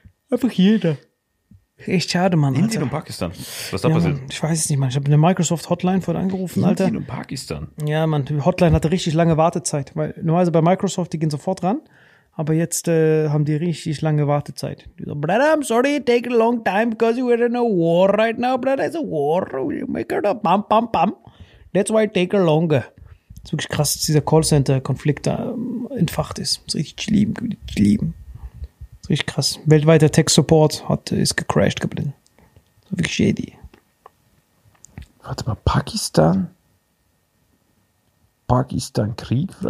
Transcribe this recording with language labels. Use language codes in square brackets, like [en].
[de] Einfach jeder. Echt schade, Mann. Indien und Pakistan? Was ist da passiert? Mann, ich weiß es nicht, Mann. Ich habe eine Microsoft-Hotline vorhin angerufen, Alter. Indien und Pakistan? Ja, Mann. Die Hotline hatte richtig lange Wartezeit. Weil normalerweise bei Microsoft, die gehen sofort ran. Aber jetzt haben die richtig lange Wartezeit. Die so, [en] brother, I'm sorry, it takes a long time because we're in a war right now, brother. It's a war. We make it up. Bam, bam, bam. That's why it takes longer. [de] Das ist wirklich krass, dass dieser Callcenter-Konflikt da entfacht ist. Das ist richtig lieben, Das ist richtig krass. Weltweiter Tech-Support ist gecrashed geblieben. So wie [en] shady. [de] Warte mal, Pakistan? Pakistan-Krieg?